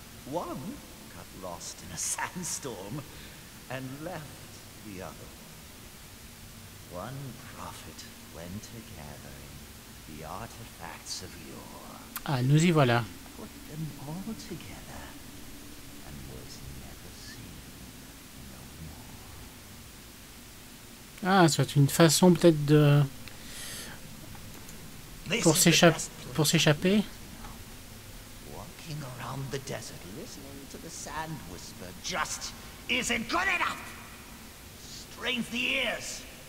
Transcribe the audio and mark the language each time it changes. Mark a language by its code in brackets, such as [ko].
[en] One got lost in a sandstorm and left the other. One prophet went to gathering the artifacts of yore. [fr] Ah, nous y voilà. [en] Put them all together and was never seen no more. [fr] Ah, c'est une façon peut-être de pour s'échapper. [en] Walking around the desert listening to the sand whisper just isn't good enough. Strain the ears.